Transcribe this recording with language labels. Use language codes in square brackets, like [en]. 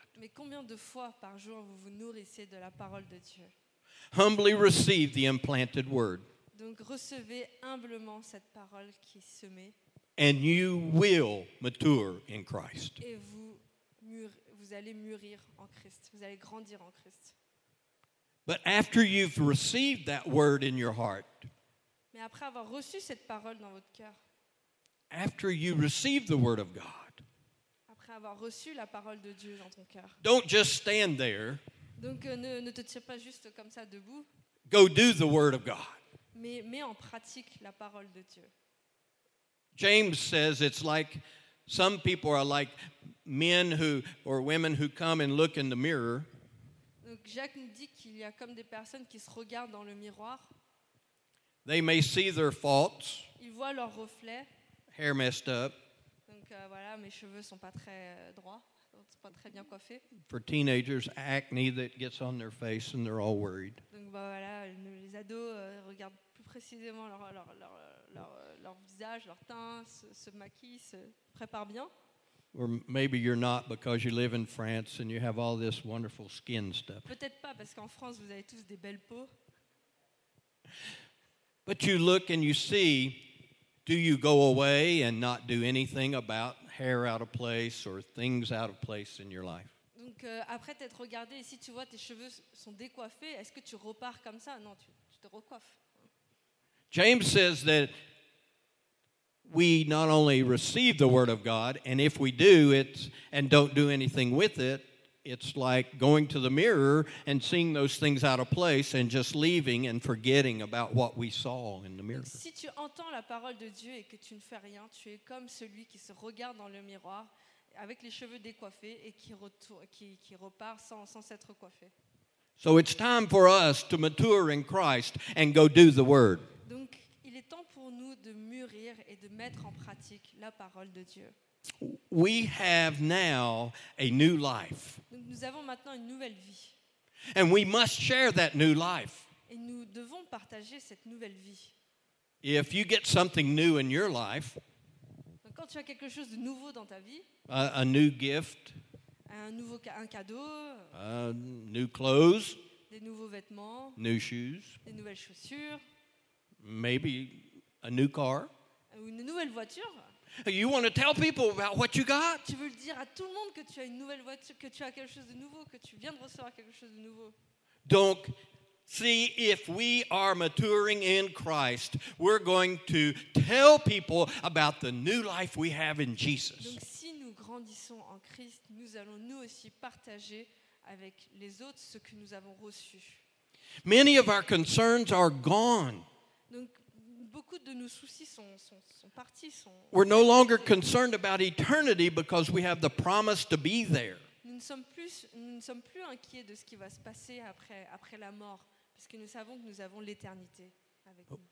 [fr] Mais combien de fois par jour vous vous nourrissez de la parole de Dieu? [en] Humbly receive the implanted word. [fr] Donc recevez humblement cette parole qui est semée. [en] And you will mature in Christ. [fr] Et vous allez mûrir en Christ. Vous allez grandir en Christ. [en] But after you've received that word in your heart. [fr] Mais après avoir reçu cette parole dans votre cœur. [en] After you receive the word of God. [fr] Après avoir reçu la parole de Dieu dans ton cœur. [en] Don't just stand there. [fr] Donc ne te tiens pas juste comme ça debout. [en] Go do the word of God. [fr] Mais en pratique la parole de Dieu. [en] James says it's like some people are like men who or women who come and look in the mirror. [fr] Donc Jacques nous dit qu'il y a comme des personnes qui se regardent dans le miroir. [en] They may see their faults. [fr] Ils voient leurs reflets. [en] Hair messed up. [fr] Donc voilà, mes cheveux sont pas très droits, sont pas très bien coiffés. [en] For teenagers, acne that gets on their face and they're all worried. [fr] Voilà, les ados regardent plus précisément leur visage, leur teint, se maquillent, se préparent bien. [en] Or maybe you're not because you live in France and you have all this wonderful skin stuff. [fr] Peut-être pas parce qu'en France vous avez tous des belles peaux. [en] But you look and you see, do you go away and not do anything about hair out of place or things out of place in your life? [fr] Donc après t'être regardé, et si tu vois tes cheveux sont décoiffés, est-ce que tu repars comme ça? Non, tu te recoiffes. [en] James says that we not only receive the word of God, and if we do it and don't do anything with it, it's like going to the mirror and seeing those things out of place and just leaving and forgetting about what we saw in the mirror. [fr] Si tu entends la parole de Dieu et que tu ne fais rien, tu es comme celui qui se regarde dans le miroir avec les cheveux décoiffés et qui repart sans s'être coiffé. [en] So it's time for us to mature in Christ and go do the word. [fr] Donc il est temps pour nous de mûrir et de mettre en pratique la parole de Dieu. [en] We have now a new life. [fr] Donc nous avons maintenant une nouvelle vie. [en] And we must share that new life. [fr] Et nous devons partager cette nouvelle vie. [en] If you get something new in your life, [fr] quand tu as quelque chose de nouveau dans ta vie, [en] a new gift, [fr] un cadeau, [en] new clothes, [fr] des nouveaux vêtements, [en] new shoes, [fr] des nouvelles chaussures, [en] maybe a new car, [fr] une nouvelle voiture. [en] You want to tell people about what you got? [fr] Tu veux dire à tout le monde que tu as une nouvelle voiture, que tu as quelque chose de nouveau, que tu viens de recevoir quelque chose de nouveau. [en] Donc, see, if we are maturing in Christ, we're going to tell people about the new life we have in Jesus. [fr] Donc, si nous grandissons en Christ, nous allons nous aussi partager avec les autres ce que nous avons reçu. [en] Many of our concerns are gone. [fr] Donc, beaucoup de nos soucis sont partis. [en] We're no longer concerned about eternity because we have the promise to be there. [fr] Nous ne sommes plus inquiets de ce qui va se passer après la mort, parce que nous savons que nous avons l'éternité avec nous.